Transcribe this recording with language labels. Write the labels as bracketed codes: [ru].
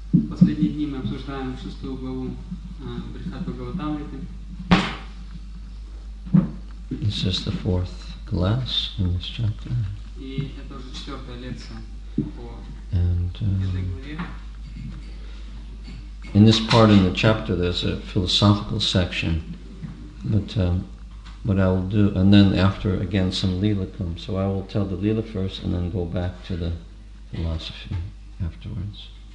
[ru] Последние дни мы обсуждаем шестую главу Брихат Бхагаватамриты. [en] This is the fourth class in this chapter. [ru] И это уже четвертая лекция по этой главе. [en] In this part in the chapter, there's a philosophical section, but. What I will do, and then after again some lila comes. So I will tell the lila first, and then go back to the philosophy afterwards.